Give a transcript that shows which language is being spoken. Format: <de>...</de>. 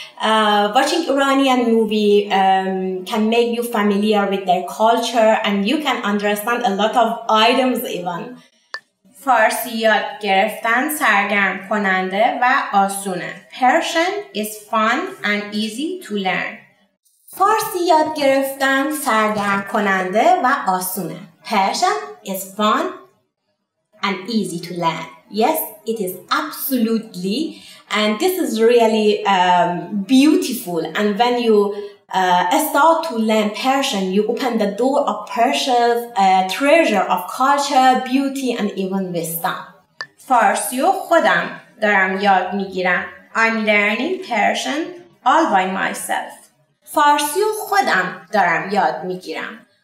<en>Watching Iranian movie can make you familiar with their culture and you can understand a lot of items even.</en> <fa>فارسی یاد گرفتن سرگرم کننده و آسونه.</fa> <en>Persian is fun and easy to learn.</en> <fa>فارسی یاد گرفتن سرگرم کننده و آسونه.</fa> <en>Persian is fun and easy to learn. Yes, it is absolutely, and this is really beautiful. And when you start to learn Persian, you open the door of Persia's treasure of culture, beauty, and even wisdom.</en> <fa>فارسی و خودم دارم یاد میگیرم.</fa> <en>I'm learning Persian all by myself.</en> <fa>فارسی و خودم دارم یاد میگیرم.</fa>